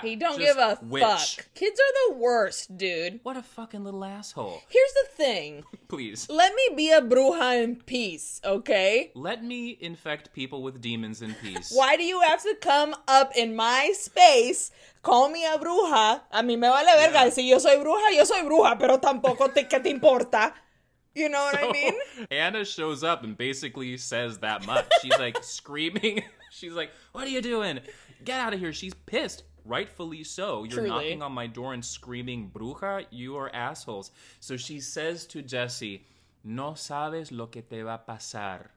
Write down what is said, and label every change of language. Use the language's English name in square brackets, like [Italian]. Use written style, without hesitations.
[English] He don't give a fuck. Kids are the worst, dude. What a fucking little asshole. Here's the thing. Please. Let me be a bruja in peace, okay? Let me infect people with demons in peace. Why do you have to come up in my space, call me a bruja? [Spanish] A mí me vale verga. Si yo soy bruja, pero tampoco te, que te importa. [English] You know what I mean? Anna shows up and basically says that much. She's like screaming. She's like, what are you doing? Get out of here. She's pissed. Rightfully so. You're truly knocking on my door and screaming, bruja, you are assholes. So she says to Jesse, [Spanish] no sabes lo que te va a pasar.